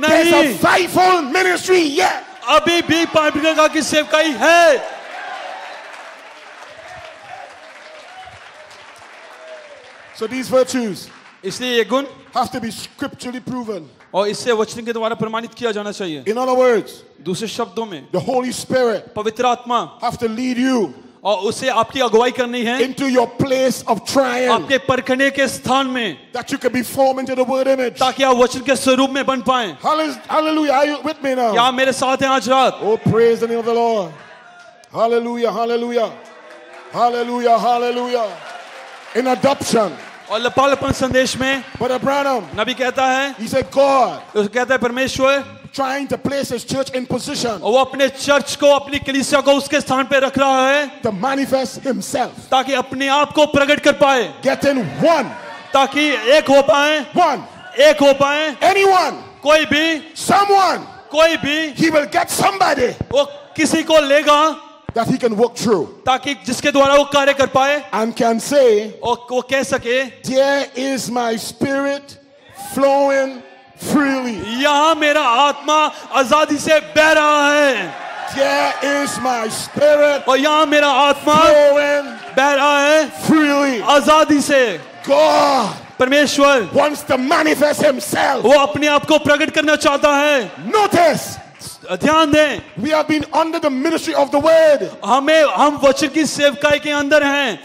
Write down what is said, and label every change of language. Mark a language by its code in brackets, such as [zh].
[en] There's a fivefold ministry yet. [hi] अभी भी पांच प्रकार की सेवकाई है. [en] So these virtues [hi] इसलिए ये गुण [en] have to be scripturally proven [hi] और इससे वचन के द्वारा प्रमाणित किया जाना चाहिए. [en] In other words, [hi] दूसरे शब्दों में, [en] the Holy Spirit, [hi] पवित्र आत्मा, [en] have to lead you, [hi] और उसे आपकी अगुवाई करनी है, [en] into your place of trial, [hi] आपके परखने के स्थान में, [en] that you can be formed into the word image, [hi] ताकि आप वचन के स्वरूप में बन पाएं. [en] Hallelujah, are you with me now? [hi] क्या मेरे साथ हैं आज रात? [en] Oh, praise the name of the Lord. Hallelujah, hallelujah, hallelujah, hallelujah. In adoption. [hi] और लपालपन संदेश में [en] But Abraham, [hi] नबी कहता है, [en] he said, God, [hi] उसे कहता है परमेश्वर, [en] trying to place his church in position, [hi] और वो अपने चर्च को अपनी कलीसिया को उसके स्थान पे रख रहा है, [en] to manifest himself, [hi] ताकि अपने आप को प्रकट कर पाए, [en] get in one, [hi] ताकि एक हो पाए, [en] one, [hi] एक हो पाए, [en] anyone, [hi] कोई भी, [en] someone, [hi] कोई भी, [en] he will get somebody, [hi] वो किसी को लेगा, [en] that he can work through, [hi] ताकि जिसके द्वारा वो कार्य कर पाए, [en] and can say, [hi] और वो कह सके, [en] there is my spirit flowing freely, [hi] यहाँ मेरा आत्मा आजादी से बह रहा है, [en] there is my spirit, [hi] और यहाँ मेरा आत्मा [en] flowing [hi] बह रहा है, [en] freely [hi] आजादी से, [en] God [hi] परमेश्वर [en] wants to manifest himself, [hi] वो अपने आप को प्रकट करना चाहता है, [en] notice. [hi] ध्यान दें, [en] we have been under the ministry of the word, [hi] हमें हम वचन की सेवकाई के अंदर हैं,